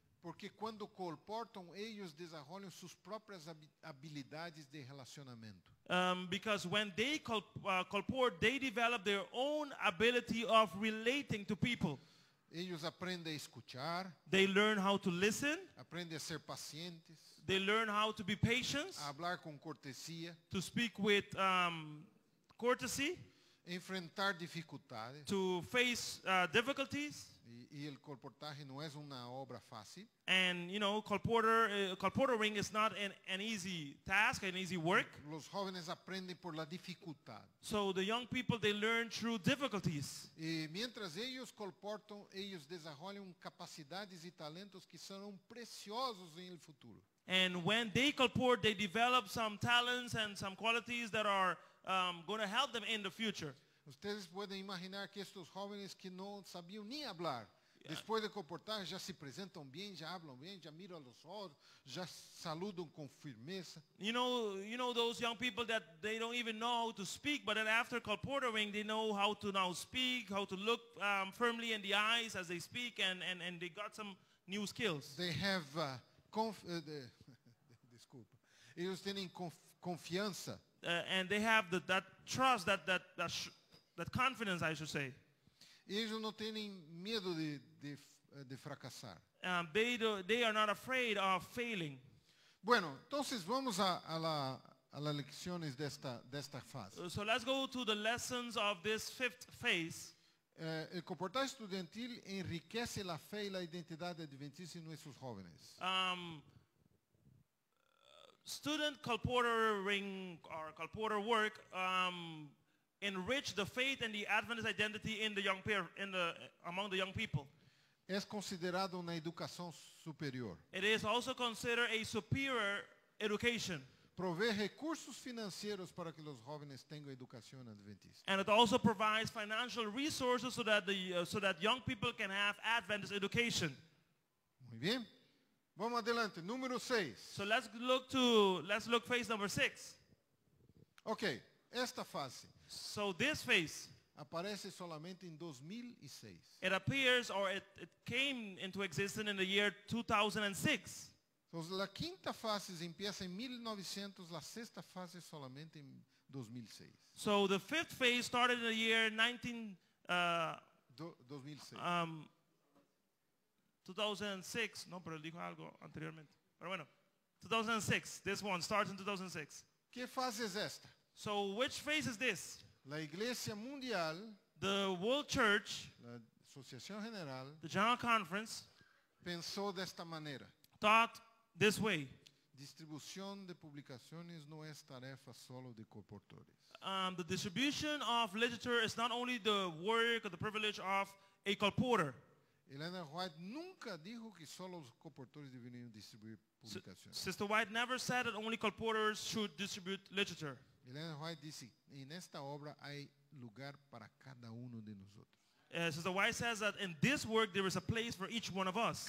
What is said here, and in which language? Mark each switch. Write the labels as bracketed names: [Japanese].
[Spanish] Porque cuando colportan, ellos desarrollan sus propias habilidades de relacionamiento. [English] Because when they colport, they develop their own ability of relating to people. [Spanish] Ellos aprenden a escuchar. [English] They learn how to listen. [Spanish] Aprenden a ser pacientes. [English] They learn how to be patient. [Spanish] A hablar con cortesía. [English] To speak with courtesy. [Spanish] Enfrentar dificultades. [English] To face difficulties. [Spanish] Y el colportaje no es una obra fácil. [English] And you know, colportering is not an easy task, an easy work. [Spanish] Los jóvenes aprenden por la dificultad. [English] So the young people, they learn through difficulties. [Spanish] Y mientras ellos colportan, ellos desarrollan capacidades y talentos que serán preciosos en el futuro. [English] And when they colport, they develop some talents and some qualities that are going to help them in the future. [Spanish] Ustedes pueden imaginar que estos jóvenes que no sabían ni hablar, después de comportar, ya se presentan bien, ya hablan bien, ya miran los ojos, ya saludan con firmeza. [English] You know those young people that they don't even know how to speak, but then after comportering, they know how to now speak, how to look firmly in the eyes as they speak, and they got some new skills. They have disculpa. [Spanish] Ellos tienen confianza. [English] And they have that trust, that confidence, I should say. [Spanish] Ellos no tienen miedo de fracasar. [English] They are not afraid of failing. [Spanish] Bueno, entonces vamos a las lecciones de esta fase. [English] So let's go to the lessons of this fifth phase. [Spanish] El comportamiento estudiantil enriquece la fe y la identidad adventista en nuestros jóvenes. [English] Student colportering or colporter work enrich the faith and the Adventist identity in the young peer, among the young people. [Spanish] Es considerado una educación superior. [English] It is also considered a superior education. [Spanish] Provee recursos financieros para que los jóvenes tengan educación adventista. [English] And it also provides financial resources so that so that young people can have Adventist education. [Spanish] Muy bien. Vamos adelante. Número 6. [English] So let's look phase number 6. [Spanish] Okay. Esta fase. [English] So this phase [Spanish] aparece solamente en 2006. [English] It appears or it came into existence in the year 2006. [Spanish] Entonces, la quinta fase empieza en 1900, la sexta fase solamente en 2006. [English] So the fifth phase started in the year 2006. [Spanish] No, pero dijo algo anteriormente. Pero bueno, [English] 2006. This one starts in 2006. [Spanish] ¿Qué fase es esta? [English] So which phase is this? [Spanish] La Iglesia Mundial, [English] the World Church, [Spanish] la Asociación General, [English] the General Conference, [Spanish] pensó de esta manera. [English] Thought this way. [Spanish] Distribución de publicaciones no es tarefa solo de colportores. [English] The distribution of literature is not only the work or the privilege of a colporter. [Spanish] Elena White nunca dijo que solo los colportores deberían distribuir publicaciones. [English] Sister White never said that only colporters should distribute literature. [Spanish] Elena White dice, en esta obra hay lugar para cada uno de nosotros. [English] Sister White says that in this work there is a place for each one of us.